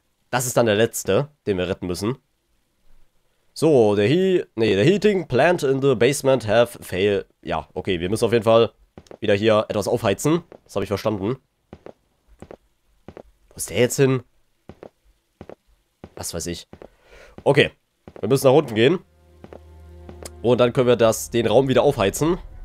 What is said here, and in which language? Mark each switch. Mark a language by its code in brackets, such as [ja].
[de] Das ist dann der letzte, den wir retten müssen. [en] So, the heating plant in the basement have failed. [de] Ja, okay, wir müssen auf jeden Fall wieder hier etwas aufheizen. Das habe ich verstanden. Wo ist der jetzt hin? Was weiß ich. Okay, wir müssen nach unten gehen. Und dann können wir den Raum wieder aufheizen.